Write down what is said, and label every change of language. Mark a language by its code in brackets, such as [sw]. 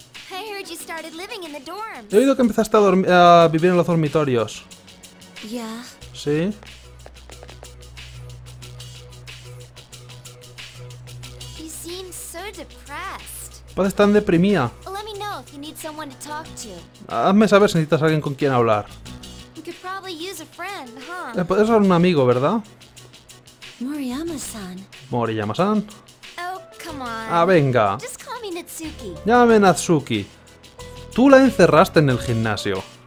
[en] I heard you started living in the dorms. [es] He oído que empezaste a vivir en los dormitorios. [en] Yeah. [es] Sí. [en] You seem so depressed. [es] Pareces tan deprimida. [en] Let me know if you need someone to talk to. [es] Hazme saber si necesitas a alguien con quien hablar. [en] You could probably use a friend, huh? [es] Puedes usar un amigo, ¿verdad? [en] Moriyama-san. [es] Moriyama-san. [en] Come on. [es] Ah, venga. [en] Just call me Natsuki. [es] Llámame Natsuki. Tú la encerraste en el gimnasio.